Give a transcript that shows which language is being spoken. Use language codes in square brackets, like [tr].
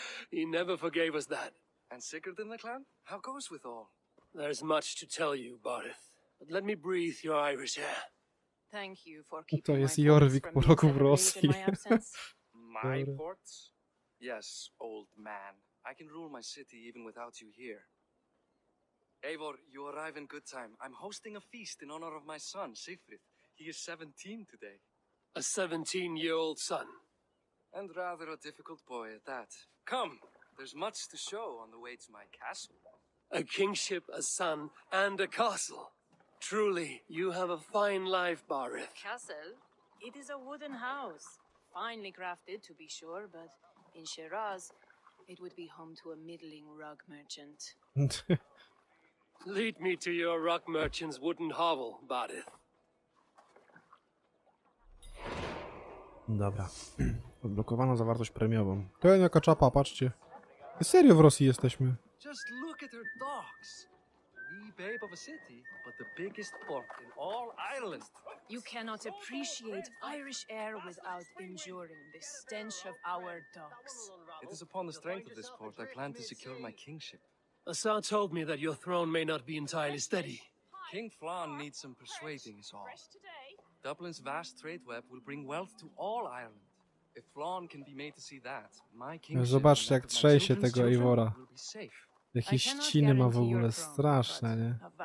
[en] He never forgave us that. And Sigurd in the clan? How goes with all? There's much to tell you, Barith. But let me breathe your Irish air. thank you for keeping [pl] to jest Jorvik po roku w Rosji. [en] My ports? Yes, old man. I can rule my city even without you here. Eivor, you arrive in good time. I'm hosting a feast in honor of my son, Sigfrid. He is 17 today. A 17-year-old son. And rather a difficult boy at that. Come, there's much to show on the way to my castle. A kingship, a son, and a castle. Truly, you have a fine life, Barith. Castle? It is a wooden house. Finely crafted, to be sure, but in Shiraz, it would be home to a middling rug merchant. Lead me to your rug merchant's wooden hovel, Barith. [pl] Dobra. Odblokowano zawartość premiową. To jest jaka czapa, patrzcie. Serio w Rosji jesteśmy. [en] Just look at her dogs. The babe of a city, but the biggest port in all Ireland. You cannot appreciate Irish air without enduring the stench of our dogs. It is upon the strength of this port I plan to secure my kingship. Asar told me that your throne may not be entirely steady. King Flann needs some persuading, is all. Dublin's vast trade web will bring wealth to all Ireland. If Flann can be made to see that, my kingship... [pl] Zobaczcie, jak trzęsie tego Eivora. Jakieś ściny ma w ogóle, straszne, nie?